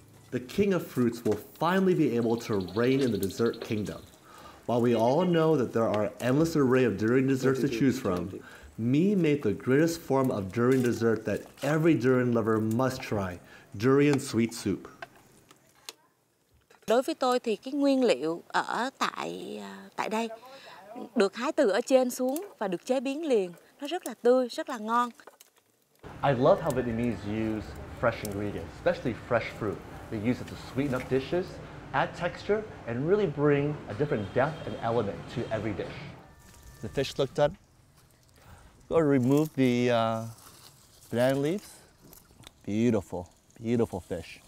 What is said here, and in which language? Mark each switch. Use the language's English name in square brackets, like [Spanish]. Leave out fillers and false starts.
[English] The king of fruits will finally be able to reign in the dessert kingdom. While we all know that there are an endless array of durian desserts to choose from, Mi made the greatest form of durian dessert that every durian lover must try, durian sweet soup. [Vietnamese] Đối với tôi thì cái nguyên liệu ở tại đây được hái từ ở trên xuống và được chế biến liền, nó rất là tươi, rất là ngon. [English] I love how Vietnamese use fresh ingredients, especially fresh fruit. They use it to sweeten up dishes, add texture, and really bring a different depth and element to every dish. The fish look done. Go remove the banana leaves. Beautiful, beautiful fish.